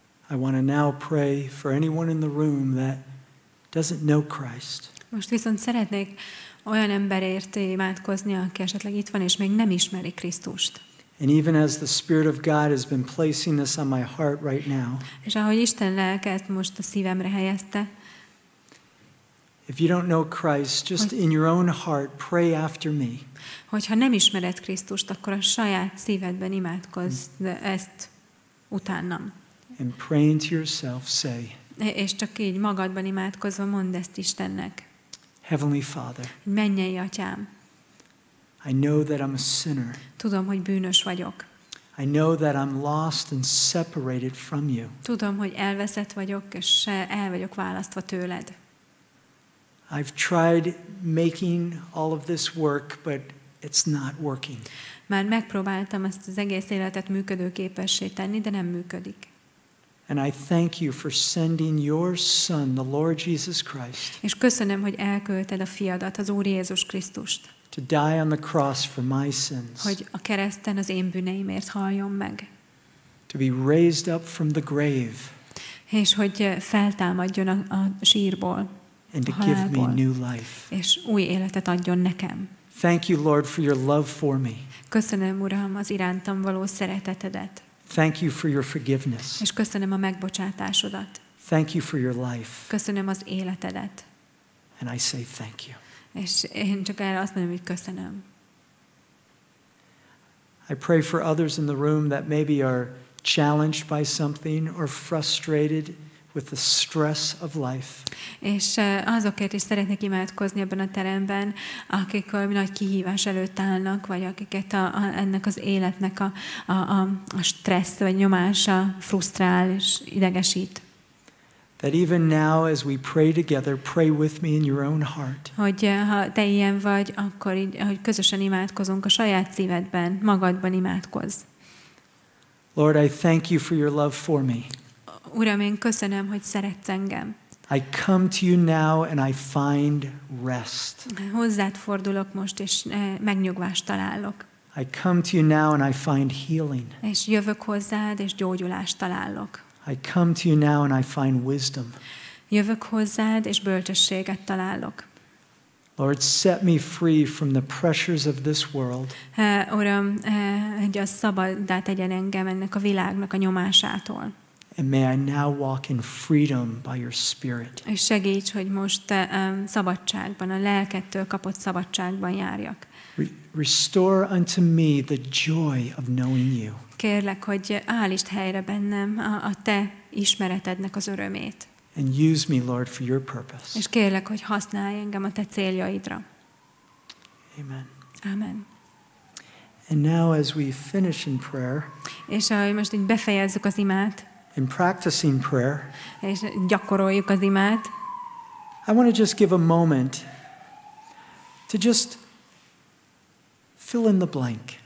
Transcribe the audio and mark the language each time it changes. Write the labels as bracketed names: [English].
[English] I want to now pray for anyone in the room that doesn't know Christ. [Hungarian] Most viszont szeretnék olyan emberért imádkozni, aki esetleg itt van és még nem ismeri Krisztust. [English] And even as the Spirit of God has been placing this on my heart right now. [Hungarian] És ahogy Isten lelke ezt most a szívemre helyezte. [English] If you don't know Christ, just in your own heart, pray after me. [Hungarian] Hogyha nem ismered Krisztust, akkor a saját szívedben imádkozz ezt utánam. [English] And praying to yourself, say. [Hungarian] És csak így magadban imádkozva mondd ezt Istennek. [English] Heavenly Father. [Hungarian] Mennyei Atyám. [English] I know that I'm a sinner. [Hungarian] Tudom, hogy bűnös vagyok. [English] I know that I'm lost and separated from you. [Hungarian] Tudom, hogy elveszett vagyok és el vagyok választva tőled. [English] I've tried making all of this work, but it's not working. [Hungarian] Már megpróbáltam ezt az egész életet működőképessé tenni, de nem működik. [English] And I thank you for sending your son, the Lord Jesus Christ. [Hungarian] És köszönöm, hogy elküldted a fiadat, az Úr Jézus Krisztust. [English] To die on the cross for my sins. [Hungarian] Hogy a kereszten az én bűneimért haljon meg. [English] To be raised up from the grave. [Hungarian] És hogy feltámadjon a sírból. [English] And to give me new life. [Hungarian] És új életet adjon nekem. [English] Thank you, Lord, for your love for me. [Hungarian] Köszönöm, Uram, az irántam való szeretetedet. [English] Thank you for your forgiveness. [Hungarian] És köszönöm a megbocsátásodat. [English] Thank you for your life. [Hungarian] Köszönöm az életedet. [English] And I say thank you. [Hungarian] És én csak erre azt mondom, hogy köszönöm. [English] I pray for others in the room that maybe are challenged by something or frustrated with the stress of life. [Hungarian] És azokért is szeretnék imádkozni ebben a teremben, akik valami nagy kihívás előtt állnak, vagy akiket ennek az életnek a stressz vagy nyomása frusztrál és idegesít. [English] That even now as we pray together, pray with me in your own heart. [Hungarian] Hogy ha te ilyen vagy, akkor így, hogy közösen imádkozunk a saját szívedben, magadban imádkozz. [English] Lord, I thank you for your love for me. [Hungarian] Uram, én köszönöm, hogy szeretsz engem. [English] I come to you now and I find rest. [Hungarian] Hozzád fordulok most és megnyugvást találok. [English] I come to you now and I find healing. [Hungarian] És jövök hozzád és gyógyulást találok. [English] I come to you now and I find wisdom. [Hungarian] Jövök hozzád és bölcsességet találok. [English] Lord, set me free from the pressures of this world. [Hungarian] Uram, hogy a szabaddá tegyen engem ennek a világnak a nyomásától. [English] And may I now walk in freedom by your spirit. [Hungarian] És segíts, hogy most szabadságban, a lelkedtől kapott szabadságban járjak. [English] Restore unto me the joy of knowing you. [Hungarian] Kérlek, hogy állítsd helyre bennem a te ismeretednek az örömét. [English] And use me, Lord, for your purpose. [Hungarian] És kérlek, hogy használj engem a te céljaidra. [English] Amen. [Hungarian] Amen. [English] And now as we finish in prayer. [Hungarian] És ahogy most így befejezzük az imát. [English] In practicing prayer. [Hungarian] És gyakoroljuk az imát. [English] I want to just give a moment to just fill in the blank.